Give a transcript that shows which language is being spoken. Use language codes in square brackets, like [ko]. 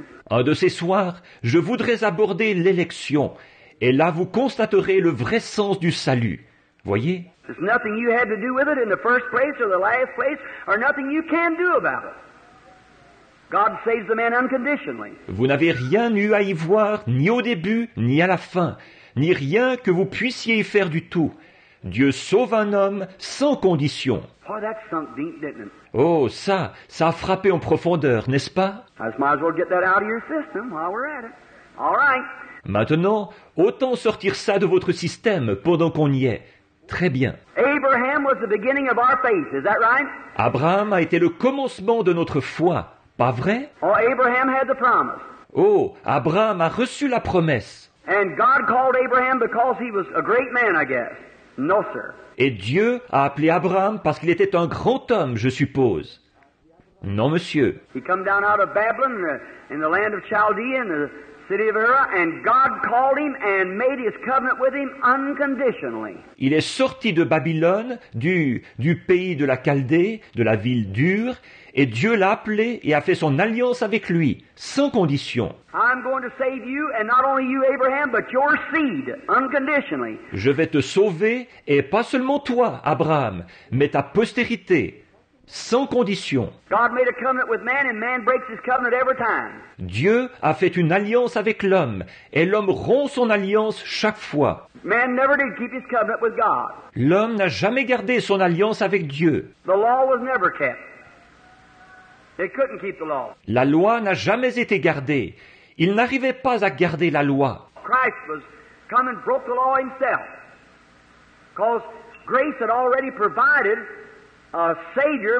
[fr] Un de ces soirs, je voudrais aborder l'élection, et là vous constaterez le vrai sens du salut. Voyez? [en] There's nothing you had to do with it in the first place or the last place, or nothing you can do about it. God saves the man unconditionally. [fr] Vous n'avez rien eu à y voir, ni au début, ni à la fin, ni rien que vous puissiez y faire du tout. Dieu sauve un homme sans condition. [en] Oh, that sunk deep, didn't it? [fr] Oh, ça, ça a frappé en profondeur, n'est-ce pas? [en] I just might as well get that out of your system while we're at it. All right. [fr] Maintenant, autant sortir ça de votre système pendant qu'on y est. Très bien. [en] Abraham was the beginning of our faith, is that right? [fr] Abraham a été le commencement de notre foi, pas vrai? [en] Oh, Abraham had the promise. [fr] Oh, Abraham a reçu la promesse. [en] And God called Abraham because he was a great man, I guess. No, sir. [fr] Et Dieu a appelé Abraham parce qu'il était un grand homme, je suppose. Non, monsieur. [en] He came down out of Babylon, in the land of Chaldea, in the city of Ur, and God called him and made his covenant with him unconditionally. [fr] Il est sorti de Babylone, du pays de la Chaldée, de la ville d'Ur, et Dieu l'a appelé et a fait son alliance avec lui, sans condition. [en] I'm going to save you, and not only you, Abraham, but your seed, unconditionally. [fr] Je vais te sauver, et pas seulement toi, Abraham, mais ta postérité, sans condition. [en] God made a covenant with man, and man breaks his covenant every time. [fr] Dieu a fait une alliance avec l'homme, et l'homme rompt son alliance chaque fois. [en] Man never did keep his covenant with God. [fr] L'homme n'a jamais gardé son alliance avec Dieu. [en] The law was never kept. They couldn't keep the law. [fr] La loi n'a jamais été gardée. Il n'arrivait pas à garder la loi. [en] Christ was come and broke the law himself, because grace had already provided a savior.